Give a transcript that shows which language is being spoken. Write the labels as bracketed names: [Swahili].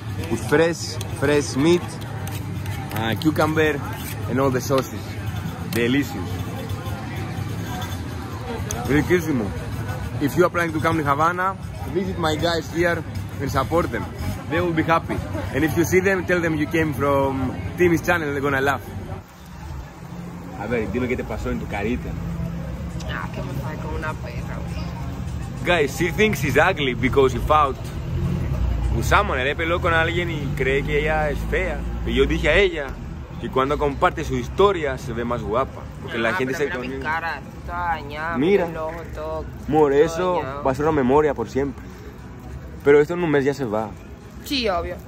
[English] With fresh meat, cucumber, and all the sauces. Delicious. Riquísimo. If you are planning to come to Havana, visit my guys here and support them. They will be happy. And if you see them, tell them you came from Timmy's channel, they're gonna laugh. [Spanish] A ver, dime qué te pasó en tu carita. Ah, que me fue como una perra. [English] Guys, she thinks he's ugly because he fought with someone. [Spanish] Él peleó con alguien y cree que ella es fea. Y yo dije a ella que cuando comparte su historia se ve más guapa. Porque la gente se mira conmigo. Mi cara, toda dañada, mira. El ojo, todo. Amor, eso dañado. Va a ser una memoria por siempre. Pero esto en un mes ya se va. Sí, obvio.